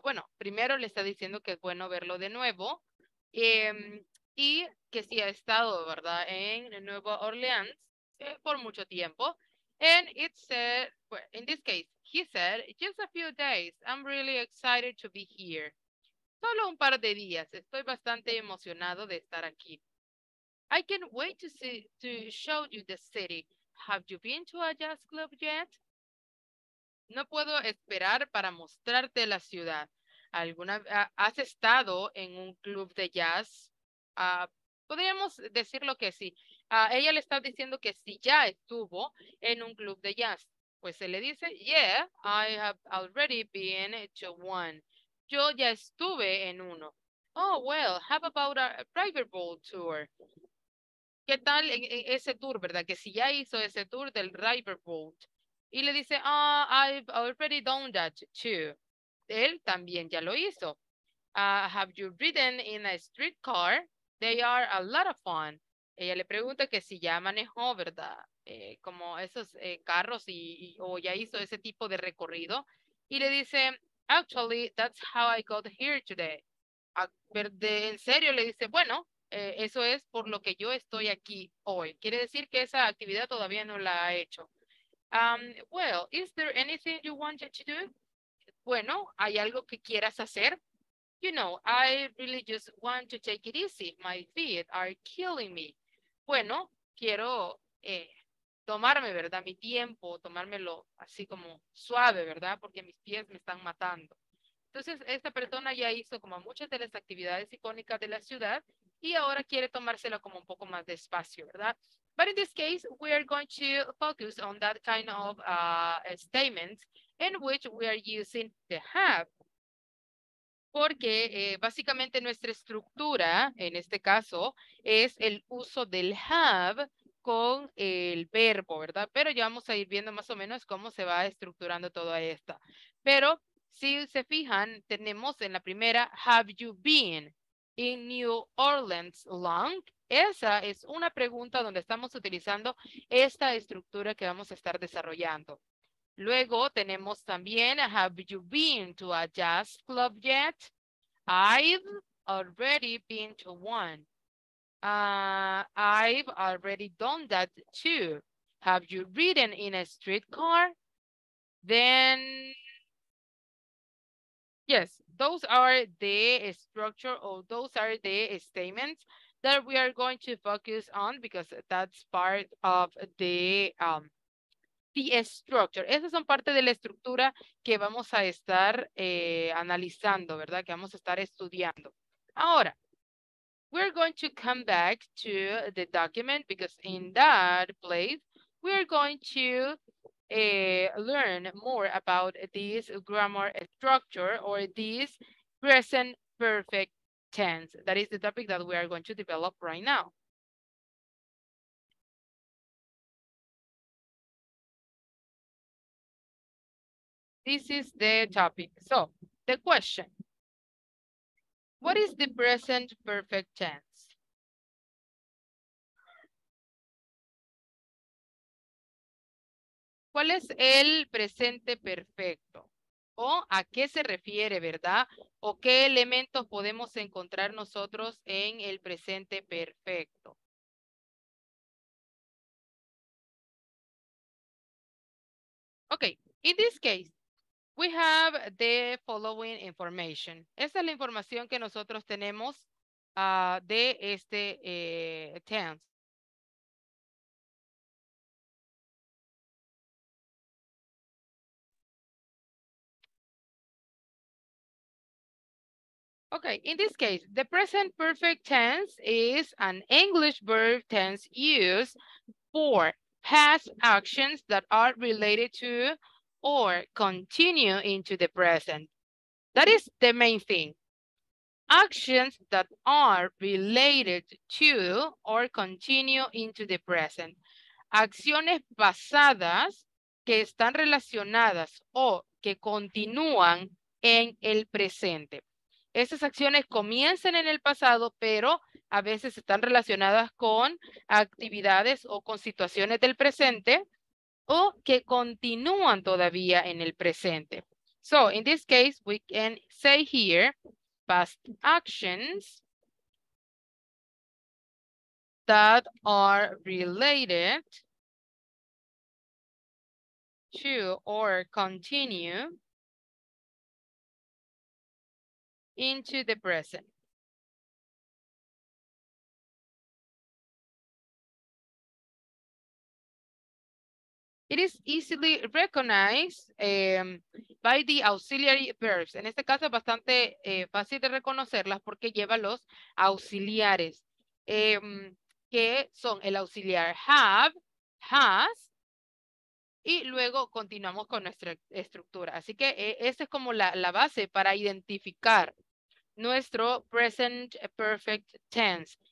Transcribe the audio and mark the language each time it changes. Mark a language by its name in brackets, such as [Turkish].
[Spanish] Bueno, primero le está diciendo que es bueno verlo de nuevo, y que sí ha estado, ¿verdad?, en Nueva Orleans por mucho tiempo. [English] And it said, well, in this case, he said, just a few days, I'm really excited to be here. [Spanish] Solo un par de días, estoy bastante emocionado de estar aquí. [English] I can't wait to see, to show you the city. Have you been to a jazz club yet? [Spanish] No puedo esperar para mostrarte la ciudad. ¿Alguna has estado en un club de jazz? Podríamos decirlo que sí. Ella le está diciendo que sí, ya estuvo en un club de jazz. Pues se le dice, [English] yeah, I have already been to one. [Spanish] Yo ya estuve en uno. [English] Oh, well, how about a private ball tour? [Spanish] ¿Qué tal ese tour, verdad? Que si ya hizo ese tour del river boat. Y le dice, ah, [English] oh, I've already done that too. [Spanish] Él también ya lo hizo. [English] Have you ridden in a streetcar? They are a lot of fun. [Spanish] Ella le pregunta que si ya manejó, verdad, como esos carros o ya hizo ese tipo de recorrido. Y le dice, [English] actually, that's how I got here today. [Spanish] En serio, le dice, bueno, eso es por lo que yo estoy aquí hoy. Quiere decir que esa actividad todavía no la ha hecho. [English] Well, is there anything you want to do? [Spanish] Bueno, ¿hay algo que quieras hacer? [English] You know, I really just want to take it easy. My feet are killing me. [Spanish] Bueno, quiero tomarme, ¿verdad? Mi tiempo, tomármelo así como suave, ¿verdad? Porque mis pies me están matando. Entonces, esta persona ya hizo como muchas de las actividades icónicas de la ciudad y ahora quiere tomárselo como un poco más despacio, ¿verdad? [English] But in this case, we are going to focus on that kind of statements in which we are using the have. [Spanish] Porque básicamente nuestra estructura, en este caso, es el uso del have con el verbo, ¿verdad? Pero ya vamos a ir viendo más o menos cómo se va estructurando toda esta. Pero si se fijan, tenemos en la primera, [English] have you been in New Orleans long? [Spanish] Esa es una pregunta donde estamos utilizando esta estructura que vamos a estar desarrollando. Luego tenemos también, [English] have you been to a jazz club yet? I've already been to one. I've already done that too. Have you ridden in a streetcar? Then... yes, those are the structure, or those are the statements that we are going to focus on, because that's part of the structure. [Spanish] Esas son parte de la estructura que vamos a estar analizando, ¿verdad? Que vamos a estar estudiando. Ahora, [English] we're going to come back to the document, because in that place, we're going to learn more about this grammar structure or this present perfect tense. That is the topic that we are going to develop right now. This is the topic. So, the question. What is the present perfect tense? [Spanish] ¿Cuál es el presente perfecto? ¿O a qué se refiere, verdad? ¿O qué elementos podemos encontrar nosotros en el presente perfecto? [English] Okay, in this case, we have the following information. [Spanish] Esta es la información que nosotros tenemos de este tense. [English] Okay, in this case, the present perfect tense is an English verb tense used for past actions that are related to or continue into the present. That is the main thing. Actions that are related to or continue into the present. [Spanish] Acciones pasadas que están relacionadas o que continúan en el presente. Esas acciones comienzan en el pasado, pero a veces están relacionadas con actividades o con situaciones del presente o que continúan todavía en el presente. [English] So, in this case, we can say here, past actions that are related to or continue into the present. It is easily recognized by the auxiliary verbs. [Spanish] En este caso es bastante fácil de reconocerlas porque lleva los auxiliares, que son el auxiliar have, has, y luego continuamos con nuestra estructura. Así que esa es como la base para identificar nuestro present perfect tense.